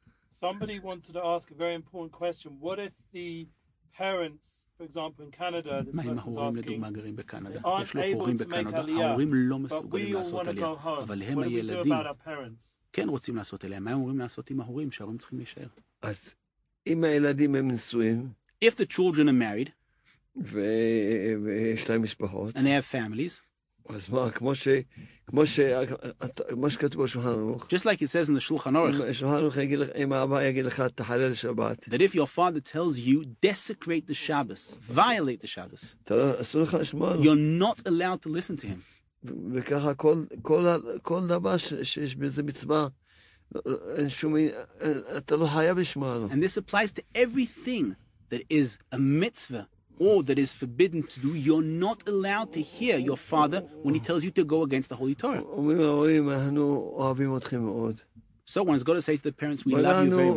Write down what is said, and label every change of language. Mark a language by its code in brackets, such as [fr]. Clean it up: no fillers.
[en] Somebody wanted to ask a very important question. What if the parents, for example, in Canada, this person's asking, aren't able to make Aliyah, but we all want to go home? What do we do about our parents? [he] כן רוצים לעשות אליהם, מה הם אומרים לעשות עם ההורים, שההורים צריכים להישאר? אז אם הילדים הם נשואים, [en] if the children are married, [he] ויש להם משפחות, [en] and they have families, [he] אז מה, כמו שכתוב בשולחן ערוך, [en] just like it says in the שולחן ערוך, [he] שולחן ערוך יגיד לך, אם האבא יגיד לך, תחלל שבת, [en] that if your father tells you, desecrate the Shabbos, violate the Shabbos, [he] אסור לך לשמוע, [en] you're not allowed to listen to him. [he] וככה כל דבר שיש בזה מצווה, אין שום, אתה לא חייב לשמוע לו. [en] And this applies to everything that is a mitzvah or that is forbidden to do. You're not allowed to hear your father when he tells you to go against the Holy Torah. [he] אומרים ההורים, אנחנו אוהבים אתכם מאוד. [en] So one has got to say to the parents, we love you very much.